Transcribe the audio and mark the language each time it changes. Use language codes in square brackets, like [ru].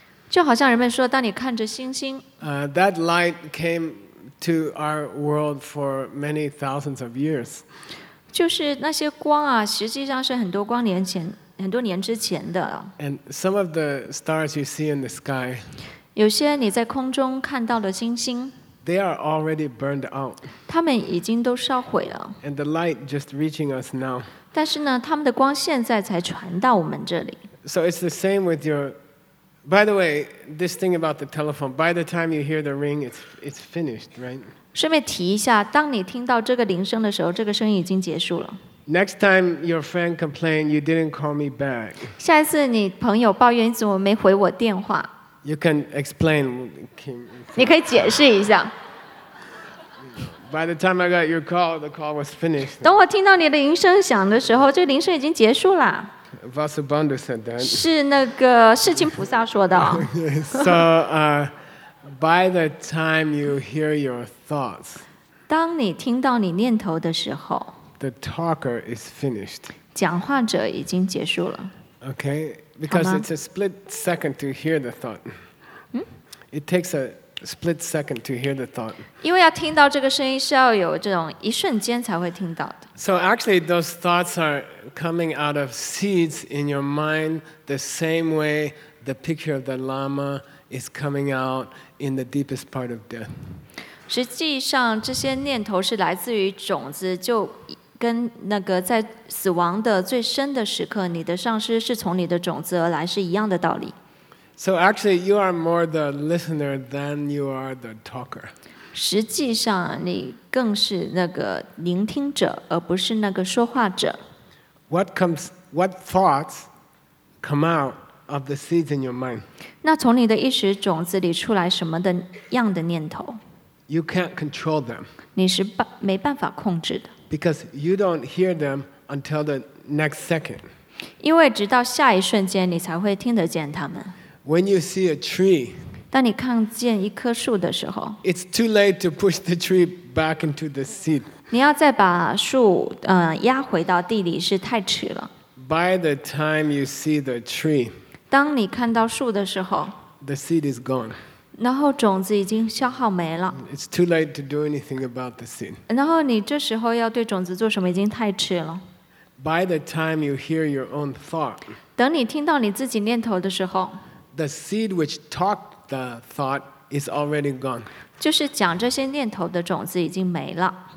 [zh] 就好像人们说，当你看着星星。 [en] That light came to our world for many thousands of years. [zh] 就是那些光啊，实际上是很多光年前、很多年之前的。 [en] And some of the stars you see in the sky. [zh] 有些你在空中看到的星星。 [en] They are already burned out. [zh] 他们已经都烧毁了。 [en] And the light just reaching us now. [zh] 但是呢，他们的光现在才传到我们这里。 [en] So it's the same with your. By the way, this thing about the telephone. By the time you hear the ring, it's finished, right? [zh] 顺便提一下，当你听到这个铃声的时候，这个声音已经结束了。 [en] Next time your friend complained, you didn't call me back. [zh] 下一次你朋友抱怨你怎么没回我电话。 [en] You can explain. [zh] 你可以解释一下。 [en] By the time I got your call, the call was finished. [zh] 等我听到你的铃声响的时候，这个铃声已经结束了。 [en] Vasubandhu said that. [zh] 是那个世亲菩萨说的。 [en] So, by the time you hear your thoughts, [zh] 当你听到你念头的时候 [en] ，the talker is finished. [zh] 讲话者已经结束了。 [en] Okay. Because it's a split second to hear the thought. It takes a split second to hear the thought. [zh] 因为要听到这个声音是要有这种一瞬间才会听到的。 [en] So actually, those thoughts are coming out of seeds in your mind the same way the picture of the Lama is coming out in the deepest part of death. [zh] 实际上，这些念头是来自于种子就。跟那个在死亡的最深的时刻，你的上师是从你的种子而来，是一样的道理。 [en] So actually, you are more the listener than you are the talker. [zh] 实际上，你更是那个聆听者，而不是那个说话者。 [en] What thoughts come out of the seeds in your mind? [zh] 那从你的意识种子里出来什么的样的念头 [en] ？You can't control them. [zh] 你是没办法控制的。 [en] Because you don't hear them until the next second. [zh] 因为直到下一瞬间，你才会听得见他们。 [en] When you see a tree, [zh] 当你看见一棵树的时候 [en] ，it's too late to push the tree back into the seed. [zh] 你要再把树压回到地里是太迟了。 [en] By the time you see the tree, [zh] 当你看到树的时候 [en] ，the seed is gone. [zh] 然后种子已经消耗没了。 [en] It's too late to do anything about the seed. [zh] 然后你这时候要对种子做什么已经太迟了。 [en] By the time you hear your own thought, [zh] 等你听到你自己念头的时候 [en] ，the seed which talked the thought is already gone. [zh] 就是讲这些念头的种子已经没了。